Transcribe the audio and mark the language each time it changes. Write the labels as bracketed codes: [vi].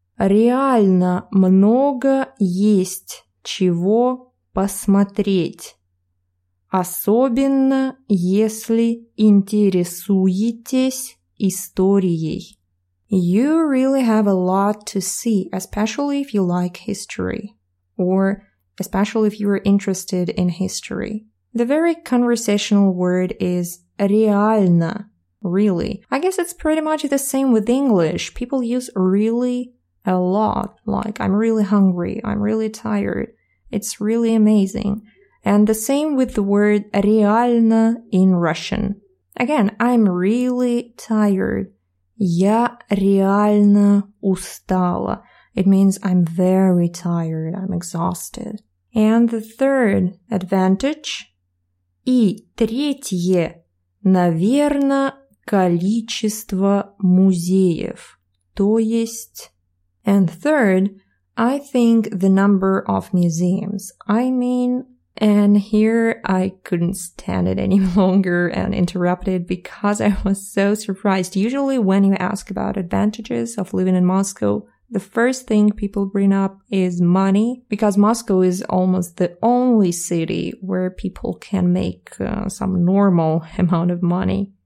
[ru] Реально много есть чего посмотреть. Особенно, если интересуетесь историей. [en] You really have a lot to see, especially if you like history. Or especially if you are interested in history. The very conversational word is реально, really. I guess it's pretty much the same with English. People use really a lot, like I'm really hungry, I'm really tired. It's really amazing. And the same with the word реально in Russian. Again, I'm really tired. [ru] Я реально устала. [en] It means I'm very tired, I'm exhausted. And the third advantage. [ru] И третье, наверное, количество музеев. То есть... [en] And third, I think the number of museums. I mean... And here I couldn't stand it any longer and interrupted because I was so surprised. Usually when you ask about advantages of living in Moscow, the first thing people bring up is money, because Moscow is almost the only city where people can make some normal amount of money.